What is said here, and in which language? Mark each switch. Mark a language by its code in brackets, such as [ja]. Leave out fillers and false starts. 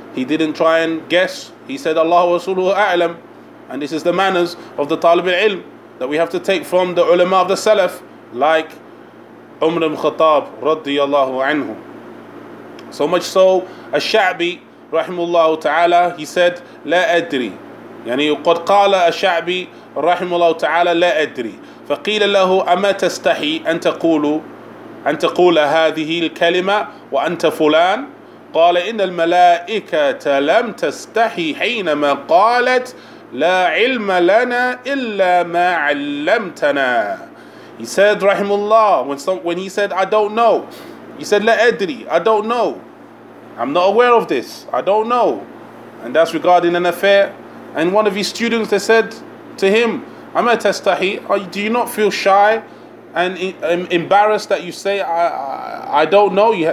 [en] He didn't try and guess. He said, "Allahu wa rasuluhu a'lam." And this is the manners of the talib al-ilm that we have to take from the ulama of the salaf, like Umar ibn Khattab radiyallahu anhu. So much so, Ash-Sha'bi rahimullahu ta'ala, he said, "La adri." [ar] يعني قد قال الشعبي رحمه الله تعالى لا أدري فقيل له أما تستحي أن تقول هذه الكلمة وأنت فلان قال إن الملائكة لم تستحي حينما قالت لا علم لنا إلا ما علمتنا. [en] He said رحمه الله, when he said I don't know, he said لا أدري, I don't know, I'm not aware of this, I don't know. And that's regarding an affair. And one of his students, they said to him, "Ama tastahi? Do you not feel shy and embarrassed that you say I don't know?